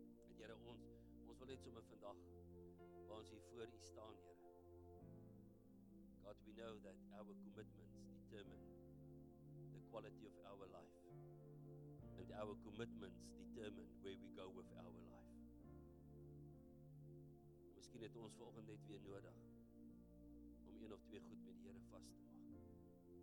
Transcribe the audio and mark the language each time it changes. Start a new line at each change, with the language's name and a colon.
Afrikaans: En Here, ons wil net sommer vandag, waar ons hier voor u staan, Here.
English: God, we know that our commitments determine the quality of our life. And our commitments determine where we go with our life.
Afrikaans: Miskien het ons vanoggend net weer nodig om een of twee goed met die Here vas te maak.